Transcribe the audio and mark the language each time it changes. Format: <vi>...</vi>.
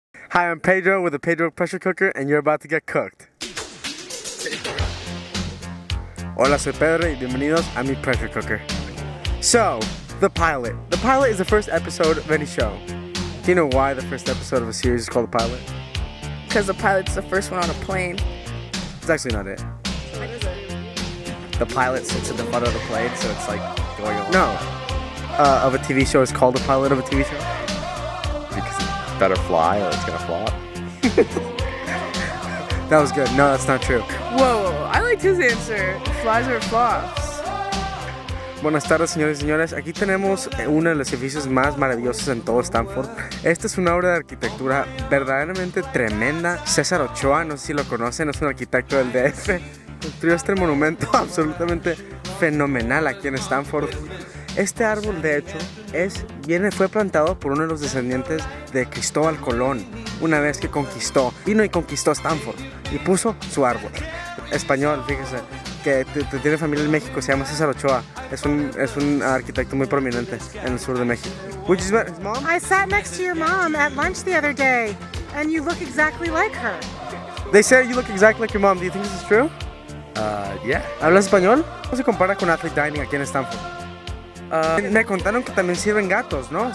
<en>Hi, I'm Pedro with the Pedro Pressure Cooker, and you're about to get cooked.</en> <es>Hola, soy Pedro, y bienvenidos a mi Pressure Cooker.</es> <en>So, the pilot. The pilot is the first episode of any show. Do you know why the first episode of a series is called a pilot? Because the pilot's the first one on a plane. It's actually not it. What is it? The pilot sits at the butt of the plane, so it's like going along. No. Of a TV show is called a pilot of a TV show? Because it better fly or it's gonna flop. That was good. No, that's not true. Whoa, I liked his answer. Flies or flops.</en> <es>Buenas tardes, señores y señores. Aquí tenemos uno de los edificios más maravillosos en todo Stanford. Esta es una obra de arquitectura verdaderamente tremenda. César Ochoa, no sé si lo conocen, es un arquitecto del DF. Construyó este monumento absolutamente fenomenal aquí en Stanford. Este árbol, de hecho, fue plantado por uno de los descendientes de Cristóbal Colón una vez que vino y conquistó Stanford y puso su árbol. Español, fíjese, que tiene familia en México, se llama César Ochoa. Es un arquitecto muy prominente en el sur de México.</es> <en>Which is his mom? I sat next to your mom at lunch the other day, and you look exactly like her. They say you look exactly like your mom. Do you think this is true? Yeah.</en> <es>¿Hablas español? ¿Cómo se compara con Athlete Dining aquí en Stanford? Me contaron que también sirven gatos, ¿no?</es>